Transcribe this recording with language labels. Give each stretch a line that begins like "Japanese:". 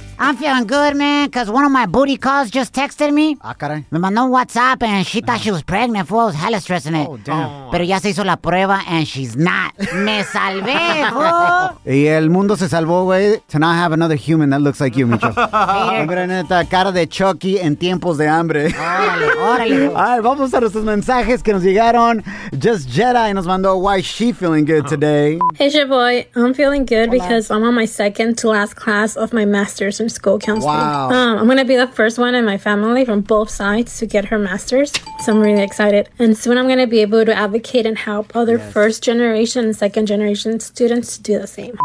English: I'm feeling good, man, because one of my booty calls just texted me.
Spanish: Ah, caray. Me mandó WhatsApp
English: and she thought she was pregnant, fool. I was hella stressing it. Oh, damn. Oh.
Spanish: Pero ya se hizo la prueba
English: and she's not.
Spanish: Me salvé, fool. Y el mundo se salvó, güey,
English: to not have another human that looks like you, Micho.
Spanish: Mira, neta, cara de Chucky en tiempos de hambre. Órale, órale. A ver, vamos a nuestros mensajes que nos llegaron.
English: Just Jedi
Spanish: nos mandó,
English: why she feeling good today. Hey, Shaboy, I'm feeling good. Hola. Because I'm on my second to last class of my master's from school counseling. Wow. I'm going to be the first one in my family from both sides to get her master's, so I'm really excited. And soon I'm going to be able to advocate and help other first generation and second generation students to do the same.